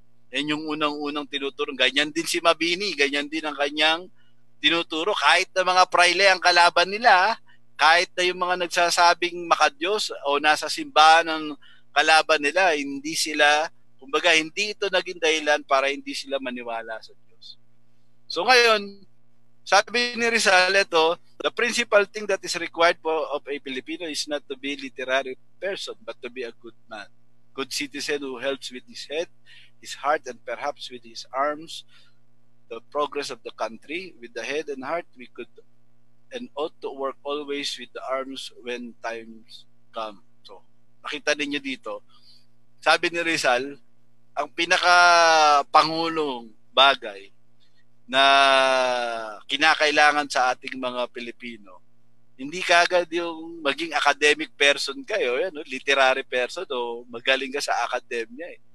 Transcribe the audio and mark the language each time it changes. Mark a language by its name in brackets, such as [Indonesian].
[Filipino] Yan yung unang-unang tinuturo. Ganyan din si Mabini, ganyan din ang kanyang tinuturo. Kahit na mga praile ang kalaban nila, kahit na yung mga nagsasabing makadiyos o nasa simbahan ang kalaban nila, hindi sila, kumbaga hindi ito naging dahilan para hindi sila maniwala sa Diyos. So ngayon, sabi ni Rizal ito, [English] the principal thing that is required of a Filipino is not to be a literary person, but to be a good man. Good citizen who helps with his head, his heart, and perhaps with his arms, the progress of the country. With the head and heart, we could and ought to work always with the arms when times come. [Filipino] So, nakita ninyo dito, sabi ni Rizal, ang pinaka-pangulong bagay na kinakailangan sa ating mga Pilipino hindi kagad yung maging academic person kayo, yan, literary person, o magaling ka sa academia.